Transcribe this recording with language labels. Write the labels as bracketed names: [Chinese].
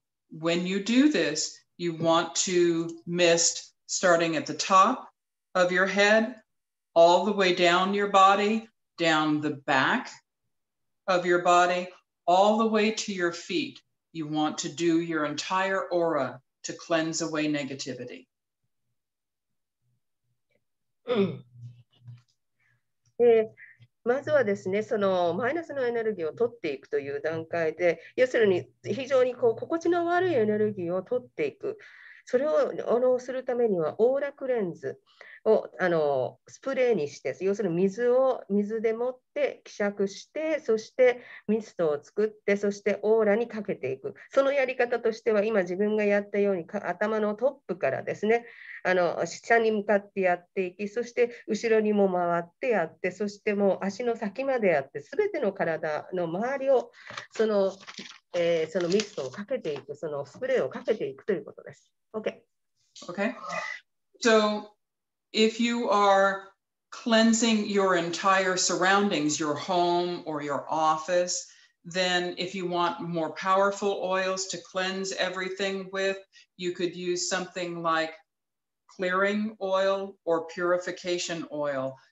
[English] When you do this, you want to mist starting at the top of your head, all the way down your body, down the back of your body, all the way to your feet. You want to do your entire aura to cleanse away negativity. [Japanese] うん、まずはですね、そのマイナスのエネルギーを取っていくという段階で、要するに非常にこう心地の悪いエネルギーを取っていく、それをするためにはオーラクレンズをスプレーにして、要するに水でもって希釈して、そしてミストを作って、そしてオーラにかけていく。そのやり方としては、今自分がやったように頭のトップからですね、下に向かってやっていき、そして後ろにも回ってやって、そしてもう足の先までやって、全ての体の周りをそのミストをかけていく、そのスプレーをかけていくということです。 Okay. [English] So if you are cleansing your entire surroundings, your home or your office, then if you want more powerful oils to cleanse everything with, you could use something like clearing oil or purification oil.